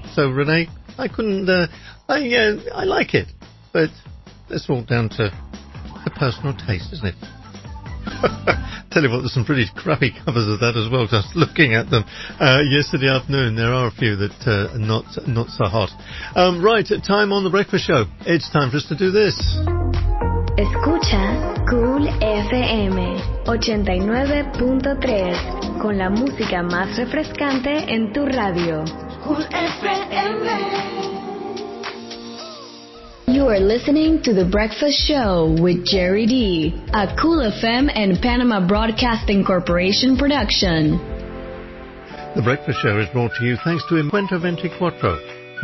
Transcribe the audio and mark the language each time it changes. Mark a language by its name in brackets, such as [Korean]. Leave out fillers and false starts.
[English] So Renee, I couldn't, I like it, but it's all down to the personal taste, isn't it? Tell you what, there's some pretty crappy covers of that as well, just looking at them. Yesterday afternoon, there are a few that are not so hot. Right, time on The Breakfast Show. It's time for us to do this. [Spanish] Escucha Cool FM 89.3 con la música más refrescante en tu radio. [English] Cool FM. You are listening to The Breakfast Show with Jerry D, a Cool FM and Panama Broadcasting Corporation production. The Breakfast Show is brought to you thanks to Encuentro 24.